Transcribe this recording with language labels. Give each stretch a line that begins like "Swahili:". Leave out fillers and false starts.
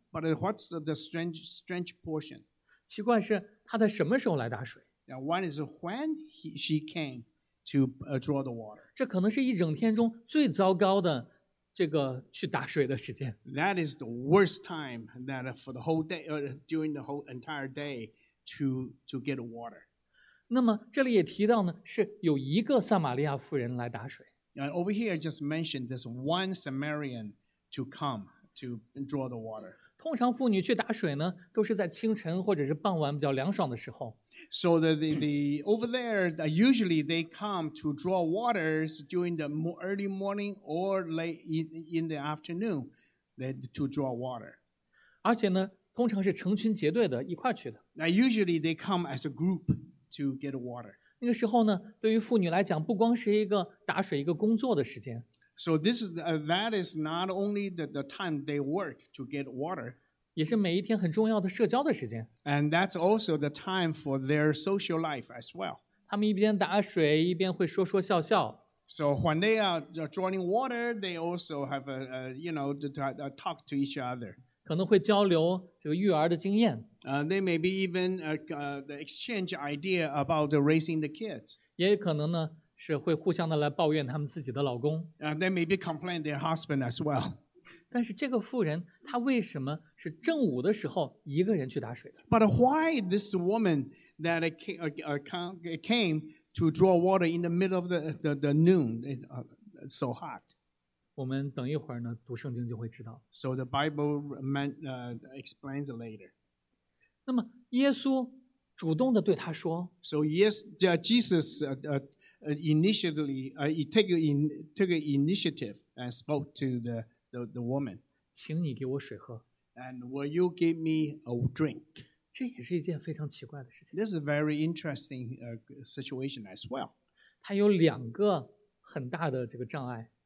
English: ？But what's the strange portion?
Chinese: 奇怪是。他在什么时候来打水
English: Now, one is when she came to draw the water.
Chinese: 这可能是一整天中最糟糕的这个去打水的时间。
English: That is the worst time that for the whole day, during the whole entire day to get water.
Chinese: 那么这里也提到呢是有一个撒玛利亚妇人来打水。
English: Now, over here, I just mentioned this one Samaritan to come to draw the water.
Chinese: 通常妇女去打水呢，都是在清晨或者是傍晚比较凉爽的时候。
English: So the over there, usually they come to draw waters during the early morning or late in the afternoon, to draw water.
Chinese: 而且呢，通常是成群结队的一块去的。
English: Now usually they come as a group to get water.
Chinese: 那个时候呢，对于妇女来讲，不光是一个打水、一个工作的时间。
English: So this is that is not only the time they work to get water.
Chinese: 也是每一天很重要的社交的时间。
English: And that's also the time for their social life as well.
Chinese: 他们一边打水，一边会说说笑笑。
English: So when they are drawing water, they also have a you know to talk to each other.
Chinese: 可能会交流这个育儿的经验。
English: They may be even exchange idea about raising the kids.
Chinese: 也可能呢是会互相的来抱怨他们自己的老公。
English: They may be complain their husband as well.
Chinese: 但是这个妇人她为什么是正午的时候一个人去打水的
English: ？But why this woman that came to draw water in the middle of the noon so hot.
Chinese: 我们等一会儿呢读圣经就会知道。
English: So the Bible explains later.
Chinese: 那么耶稣主动的对他说。
English: So yes, Jesus initially took an initiative and spoke to the woman.
Chinese: 请你给我水喝。
English: And will you give me a drink?
Chinese: 这也是一件非常奇怪的事情。
English: This is a very interesting situation as well.
Chinese: 它有两个很大的这个障碍。